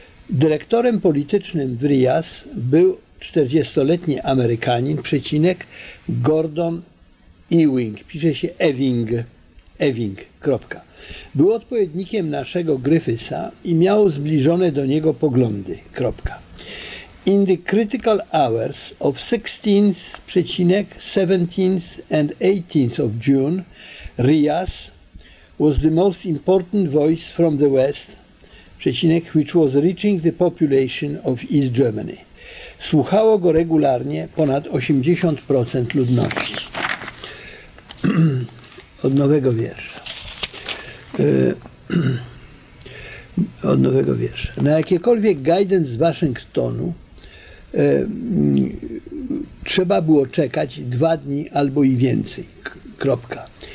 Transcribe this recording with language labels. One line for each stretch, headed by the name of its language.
Polish: Dyrektorem politycznym w Rias był 40-letni Amerykanin, Gordon Ewing, pisze się Ewing, kropka. Był odpowiednikiem naszego Gryfysa i miał zbliżone do niego poglądy, kropka.
English: In the critical hours of 16th, 17th and 18th of June, Rias was the most important voice from the West, which was reaching the population of East Germany.
Polish: Słuchało go regularnie ponad 80% ludności. Od nowego wiersza. Na jakiekolwiek guidance z Waszyngtonu trzeba było czekać 2 dni albo i więcej, kropka.